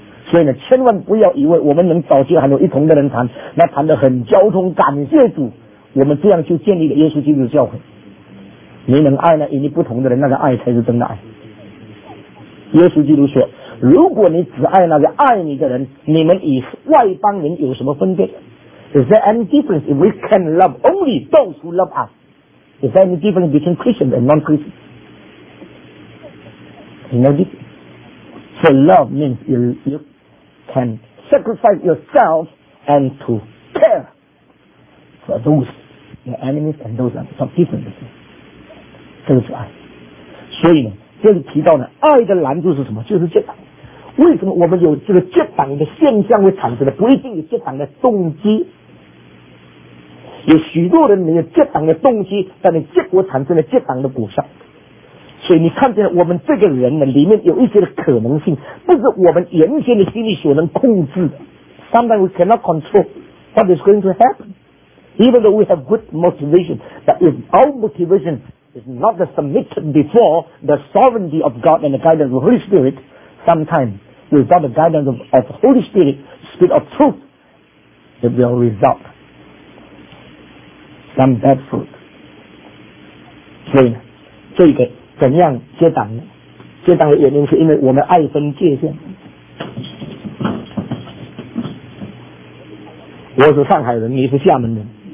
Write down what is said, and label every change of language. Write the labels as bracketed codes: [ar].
[zh] 所以呢千万不要以为我们能找些很多一同的人谈，那谈得很交通，感谢主，我们这样就建立了耶稣基督的教会。你能爱呢与你不同的人，那个爱才是真的爱。耶稣基督说，如果你只爱那个爱你的人，你们与外邦人有什么分别？ [en] Is there any difference if we can love only those who love us? Is there any difference between Christians and non-Christians? You know this? So love means you can sacrifice yourself and to care for those, your enemies and those are some different. [zh] 这个是爱。所以呢这里提到呢爱的拦阻是什么，就是结党。为什么我们有这个结党的现象会产生的，不一定有结党的动机。有许多人没有结党的动机，但是结果产生了结党的果效。所以你看见我们这个人呢里面有一些的可能性不是我们原先的心理所能控制的。 [en] Sometimes we cannot control what is going to happen. Even though we have good motivation, but if our motivation is not the submitted before the sovereignty of God and the guidance of the Holy Spirit, sometimes without the guidance of the Holy Spirit, Spirit of truth, it will result some bad fruit. [zh] 所以这个怎样结党呢？结党的原因是因为我们爱分界限。我是上海人，你是厦门人。